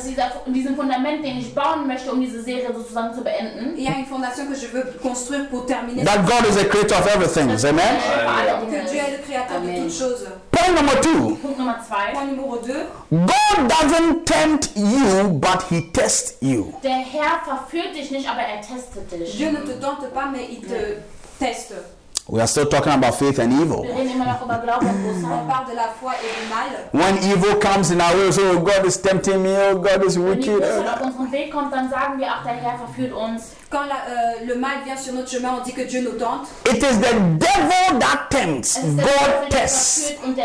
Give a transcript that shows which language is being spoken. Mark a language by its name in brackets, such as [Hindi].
[English] That God is the creator of everything. Amen. Point number two. God doesn't tempt you, but he tests you. [German] Der Herr verführt dich nicht, aber testet dich. [French] Dieu ne te tente pas, mais il te teste. [English] We are still talking about faith and evil. When evil comes in our way, oh, God is tempting me, oh, God is wicked. It is the devil that tempts, God tests.